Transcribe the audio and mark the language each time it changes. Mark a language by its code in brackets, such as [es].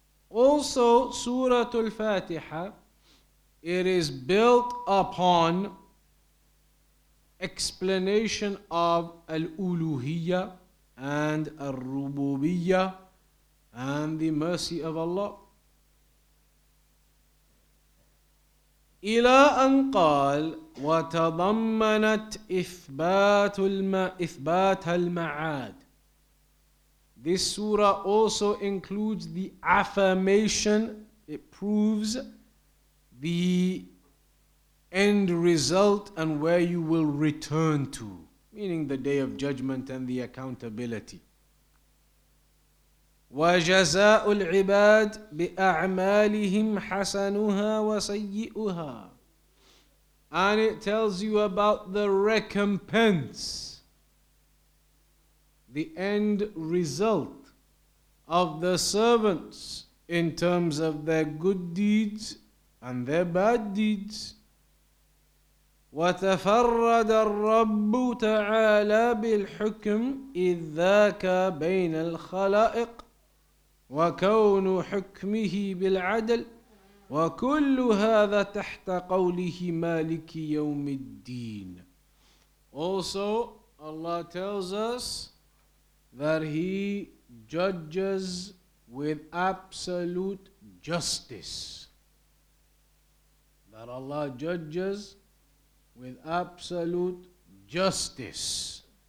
[en] Also, Surah Al-Fatiha It is built upon explanation of al-uluhiyya and al-rububiyya and the mercy of Allah. [ar] إلى أن قال وتضمنت إثبات إثبات المعاد. [en] This surah also includes the affirmation. It proves the end result and where you will return to, meaning the day of judgment and the accountability. [ar] وجزاء العباد بأعمالهم حسنها وسيئها. [en] And it tells you about the recompense, the end result of the servants in terms of their good deeds and their bad deeds. [ar] وتفرد الرب تعالى بالحكم إذ ذاك بين الخلائق وكون حكمه بالعدل وكل هذا تحت قوله مالك يوم الدين. [en] Also, Allah tells us that He judges with absolute justice. That Allah judges with absolute justice.